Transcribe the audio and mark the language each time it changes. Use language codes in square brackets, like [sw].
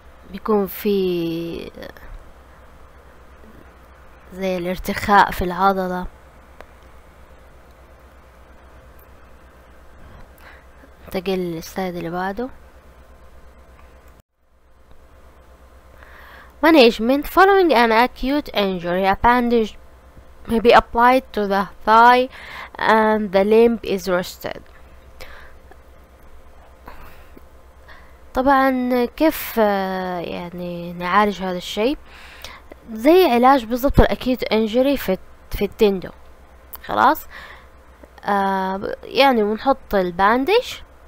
[ar] بيكون في زي الارتخاء في العضلة، انتقل للسلايد اللي بعده. [en] Management following an acute injury, a bandage may be applied to the thigh and the limb is rested. [ar] طبعا كيف يعني نعالج هذا الشيء؟ زي علاج بالضبط الأكيد انجري في التندو، خلاص يعني بنحط البانديش